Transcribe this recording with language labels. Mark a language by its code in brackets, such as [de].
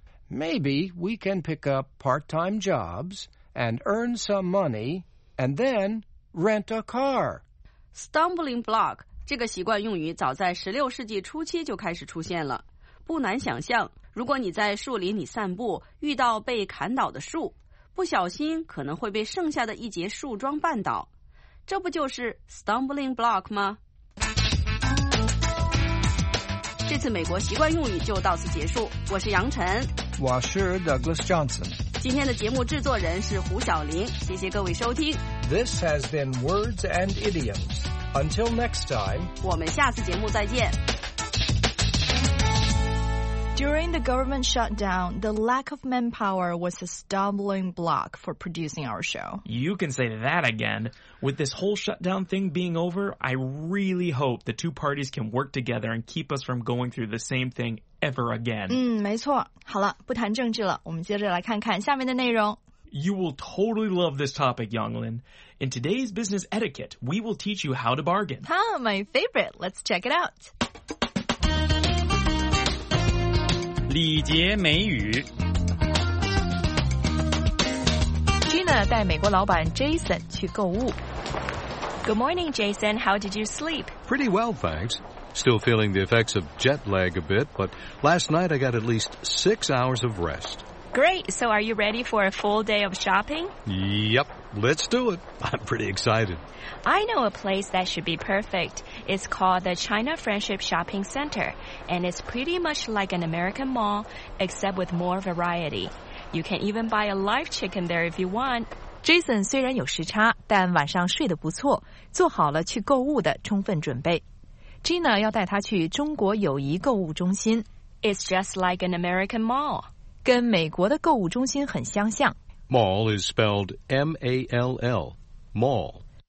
[en] Maybe we can pick up part-time jobs and earn some money and then rent a car. Stumbling block. [zh] 这个习惯用语早在16世纪初期就开始出现了。不难想象，如果你在树林里散步，遇到被砍倒的树，不小心可能会被剩下的一截树桩绊倒。这不就是 stumbling block 吗？这次美国习惯用语就到此结束。我是杨晨，我是 Douglas Johnson。今天的节目制作人是胡晓玲，谢谢各位收听。 [en] This has been Words and Idioms. Until next time, [zh] 我们下次节目再见。 [en] During the government shutdown, the lack of manpower was a stumbling block for producing our show. You can say that again. With this whole shutdown thing being over, I really hope the two parties can work together and keep us from going through the same thing ever again. [zh] 没错。好了，不谈政治了，我们接着来看看下面的内容。 [en] You will totally love this topic, Yonglin. In today's business etiquette, we will teach you how to bargain. Ah, my favorite. Let's check it out. [zh] 礼节美语 Gina 带美国老板 Jason 去购物 [en] Good morning, Jason. How did you sleep? Pretty well, thanks. Still feeling the effects of jet lag a bit, but last night I got at least 6 hours of rest. Great, so are you ready for a full day of shopping? Yep, let's do it. I'm pretty excited. I know a place that should be perfect. It's called the China Friendship Shopping Center, and it's pretty much like an American mall, except with more variety. You can even buy a live chicken there if you want. [zh] Jason 虽然有时差，但晚上睡得不错，做好了去购物的充分准备。 Gina 要带他去中国友谊购物中心。 [en] It's just like an American mall. [zh] 跟美国的购物中心很相像。 [en] Mall is spelled M-A-L-L, mall.